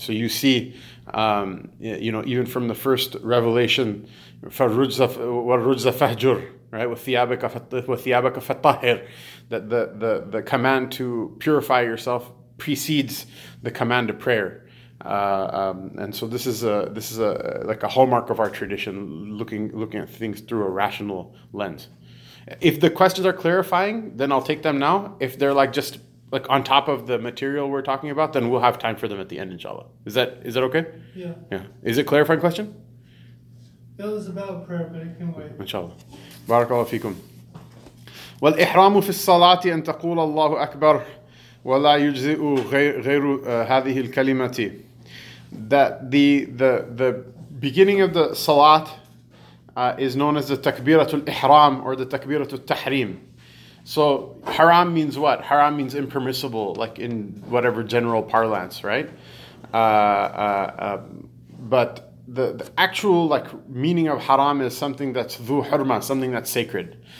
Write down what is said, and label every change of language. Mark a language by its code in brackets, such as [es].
[en] So you see, even from the first revelation, [ar] فَرُجْزَ فَهْجُرْ [en] right, with thiabaka fatahir, that the command to purify yourself precedes the command of prayer, and so this is a like a hallmark of our tradition, looking at things through a rational lens. If the questions are clarifying, then I'll take them now. If they're like just like on top of the material we're talking about, then we'll have time for them at the end, inshallah. Is that okay? Yeah. Is it a clarifying question? That was about prayer, but it can wait. Inshallah. Barakallahu feekum. [ar] والإحرام في الصلاة أن تقول الله أكبر ولا يجزئ غير هذه الكلمة. [en] That the beginning of the salat is known as the takbiratul ihram or the takbiratul tahrim. So haram means what? Haram means impermissible, like in whatever general parlance, right? But the actual like meaning of haram is something that's dhu hurma, something that's sacred.